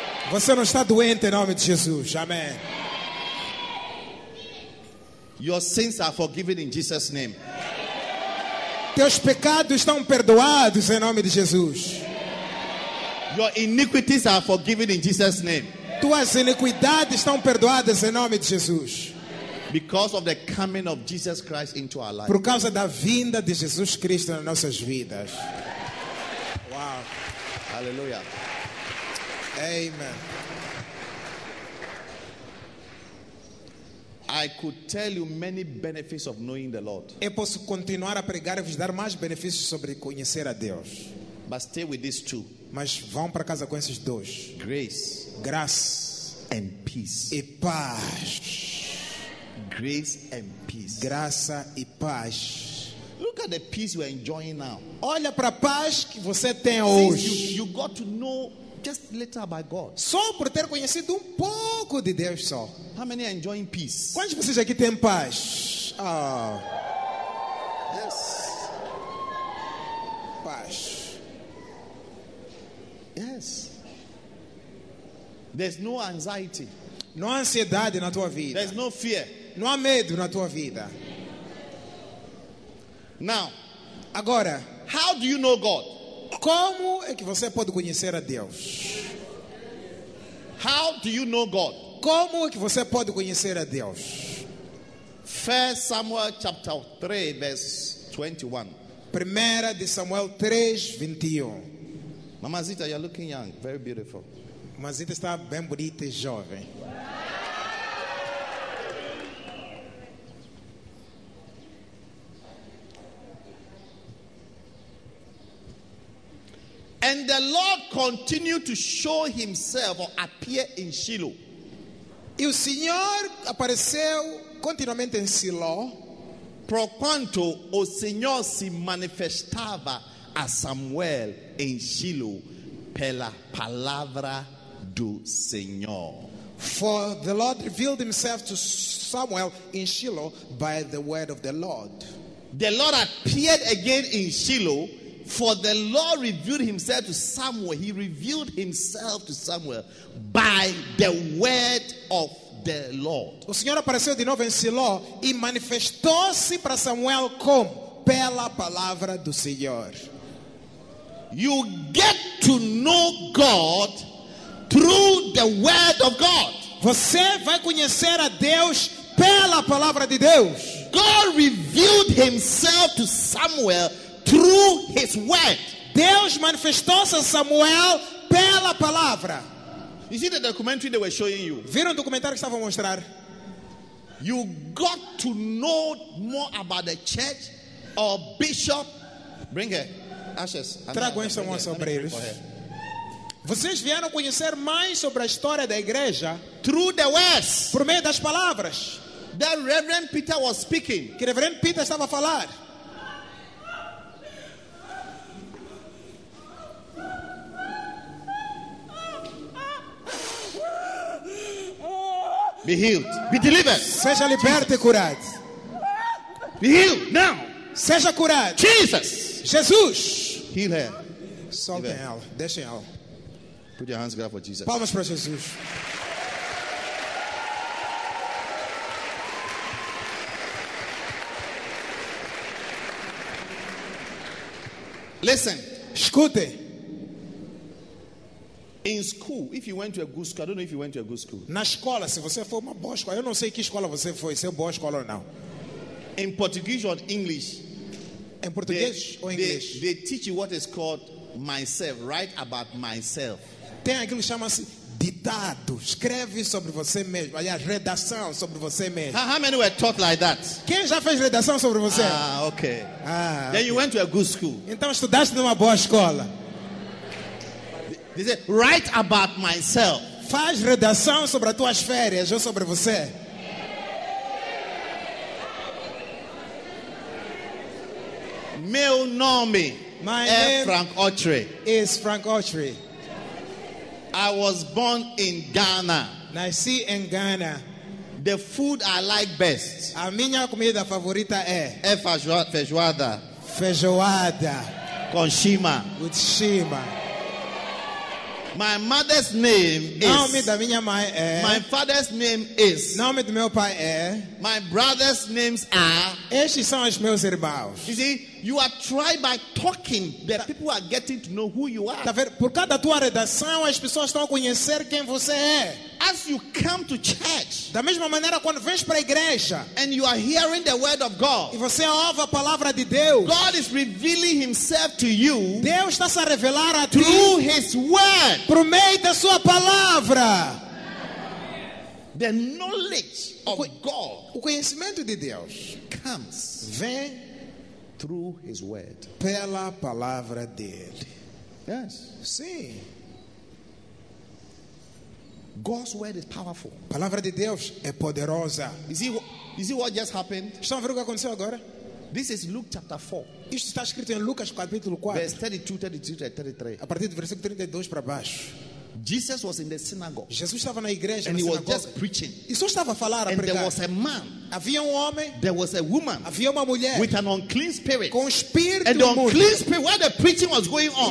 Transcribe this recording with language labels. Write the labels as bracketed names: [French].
[Portuguese] Você não está doente em nome de Jesus. Amém. [English] Your sins are forgiven in Jesus' name. [Portuguese] Teus pecados estão perdoados em nome de Jesus. [English] Your iniquities are forgiven in Jesus' name. [Portuguese] Tuas iniquidades estão perdoadas em nome de Jesus. [English] Because of the coming of Jesus Christ into our life. [Portuguese] Por causa da vinda de Jesus Cristo nas nossas vidas. [English] Wow. Hallelujah. Amen. I could tell you many benefits of knowing the Lord. [Portuguese] Eu posso continuar a pregar e vos dar mais benefícios sobre conhecer a Deus. [English] But stay with these two. [Portuguese] Mas vão para casa com esses dois. [English] Grace. [Portuguese] Graça. [English] And peace. [Portuguese] E paz. [English] Grace and peace. [Portuguese] Graça e paz. [English] Look at the peace you are enjoying now. [Portuguese] Olha para a paz que você tem hoje. [English] You got to know just little about God. [Portuguese] Só por ter conhecido um pouco de Deus só. [English] How many are enjoying peace? [Portuguese] Quantos de vocês aqui têm paz? Oh. [English] Yes. [Portuguese] Paz. [English] Yes. There's no anxiety. [Portuguese] Não há ansiedade na tua vida. [English] There's no fear. [Portuguese] Não há medo na tua vida. [English] Now, [Portuguese] agora, [English] how do you know God? [Portuguese] Como é que você pode conhecer a Deus? [English] How do you know God? [Portuguese] Como é que você pode conhecer a Deus? [English] 1 Samuel chapter 3 verse 21. [Portuguese] Primeira de Samuel 3:21. [English] Mamazita, you're looking young, very beautiful. [Portuguese] Mamazita está bem bonita e jovem. [English] And the Lord continued to show himself or appear in Shiloh. [Portuguese] E o Senhor apareceu continuamente em Siló. Porquanto o Senhor se manifestava a Samuel em Shiloh pela palavra do Senhor. [English] For the Lord revealed himself to Samuel in Shiloh by the word of the Lord. The Lord appeared again in Shiloh. For the Lord revealed himself to Samuel. He revealed himself to Samuel by the word of the Lord. [Portuguese] O Senhor apareceu de novo em Siló e manifestou-se para Samuel como pela palavra do Senhor. [English] You get to know God through the word of God. [Portuguese] Você vai conhecer a Deus pela palavra de Deus. [English] God revealed himself to Samuel through his word. [Portuguese] Deus manifestou-se a Samuel pela palavra. [English] You see the documentary they were showing you? [Portuguese] Viram o documentário que estavam a mostrar? [English] You got to know more about the church or bishop. Bring her. ashes. [Portuguese] Trago esta mão sobre eles. Vocês vieram conhecer mais sobre a história da igreja [English] through the words, [Portuguese] por meio das palavras. [English] That Reverend Peter was speaking. [Portuguese] Que Reverend Peter estava a falar. [English] Be healed. Be delivered. [Portuguese] Seja liberto e curado. [English] Be healed now. [Portuguese] Seja curado. [English] Jesus. [Portuguese] Jesus. [English] Heal her. [Portuguese] Solta ela. Deixa ela. [English] Put your hands together for Jesus. [Portuguese] Palmas para Jesus. [English] Listen. [Portuguese] Escute. [English] In school, if you went to a good school, I don't know if you went to a good school. [Portuguese] Na escola, se você foi uma boa escola, eu não sei que escola você foi, se é boa escola ou não. [English] In Portuguese or English? [Portuguese] Em português ou em inglês? [English] They teach you what is called myself, write about myself. [Portuguese] Tem aquilo que chama-se ditado, escreve sobre você mesmo, aliás, redação sobre você mesmo. [English] How many were taught like that? [Portuguese] Quem já fez redação sobre você? [English] Okay. Then okay. You went to a good school. [Portuguese] Então estudaste numa boa escola. [English] They said, write about myself. [Portuguese] Faz redação sobre as tuas férias ou sobre você. Meu nome é Frank Autry. [English] Is Frank Autry. I was born in Ghana. [Portuguese] Nasci em Ghana. [English] The food I like best. [Portuguese] A minha comida favorita é feijoada. Feijoada. Com shima. [English] With shima. My mother's name is. [Portuguese] Nome da minha mãe é. [English] My father's name is. [Portuguese] Nome do meu pai é. [English] My brother's names are. [Portuguese] Estes são os meus irmãos. [English] You see, you are tried by talking that people are getting to know who you are. [Portuguese] Tá vendo? Por causa da tua redação, as pessoas estão a conhecer quem você é. [English] As you come to church. [Portuguese] Da mesma maneira, quando vens para a igreja. [English] And you are hearing the word of God. [Portuguese] E você ouve a palavra de Deus. [English] God is revealing himself to you. [Portuguese] Deus está a revelar a ti. [English] Through his word. [Portuguese] Por meio da sua palavra. [English] The knowledge of God. [Portuguese] O conhecimento de Deus. [English] Comes. [Portuguese] Vem. [English] Through his word. [Portuguese] Pela palavra dele. [English] Yes. [Portuguese] Sim. [English] God's word is powerful. [Portuguese] A palavra de Deus é poderosa. [English] You see what just happened? [Portuguese] Estão a ver o que aconteceu agora? [English] This is Luke chapter 4. [Portuguese] Isto está escrito em Lucas capítulo 4. [English] Verse 32, 33. [Portuguese] A partir do versículo 32 para baixo. [English] Jesus was in the synagogue. [Portuguese] Jesus estava na igreja. [English] And [Portuguese] na [English] he [Portuguese] sinagoga. [English] Was just preaching. [Portuguese] E só estava a falar, a [English] and [Portuguese] pregar. [English] There was a man. [Portuguese] Havia homem. [English] There was a woman. [Portuguese] Havia uma mulher. [English] With an unclean spirit. [Portuguese] Com espírito [English] and the unclean spirit, while the preaching was going on.